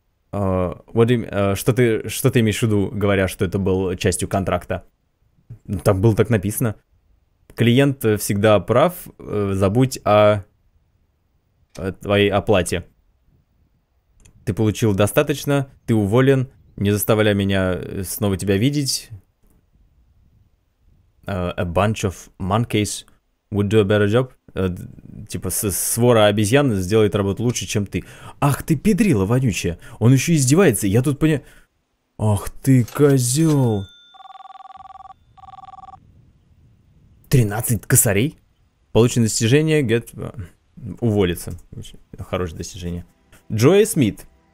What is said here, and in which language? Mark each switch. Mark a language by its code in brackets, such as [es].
[ru] Что ты имеешь в виду, говоря, что это был частью контракта? Там было так написано. Клиент всегда прав, забудь о твоей оплате. Ты получил достаточно, ты уволен, не заставляй меня снова тебя видеть. [en] A bunch of monkeys would do a better job. [ru] Типа, свора обезьян сделает работу лучше, чем ты. Ах ты, педрила вонючая. Он еще издевается, я тут Ах ты, козел. 13 косарей? Получено достижение, уволится. Хорошее достижение. Джоя Смит.